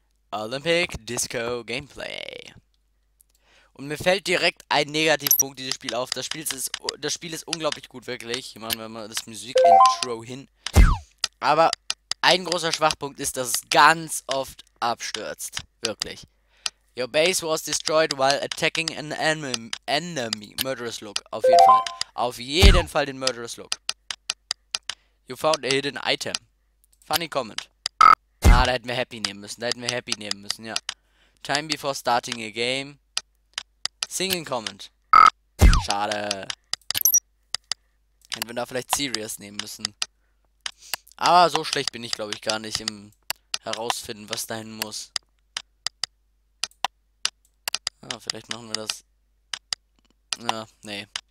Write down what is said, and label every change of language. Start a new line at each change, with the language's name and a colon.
German: Olympic Disco Gameplay. Und mir fällt direkt ein Negativpunkt dieses Spiel auf. Das Spiel ist unglaublich gut, wirklich. Ich meine, wenn man das Musikintro hin. Aber ein großer Schwachpunkt ist, dass es ganz oft abstürzt. Wirklich.
English: Your base was destroyed while attacking an enemy.
German: Murderous Look. Auf jeden Fall. Auf jeden Fall den Murderous Look.
English: You found a hidden item. Funny comment.
German: Ah, da hätten wir Happy nehmen müssen. Da hätten wir Happy nehmen müssen, ja.
English: Time before starting a game. Singing comment.
German: Schade. Hätten wir da vielleicht Serious nehmen müssen. Aber so schlecht bin ich, glaube ich, gar nicht im herausfinden, was dahin muss. Ah, vielleicht machen wir das. Ja, nee.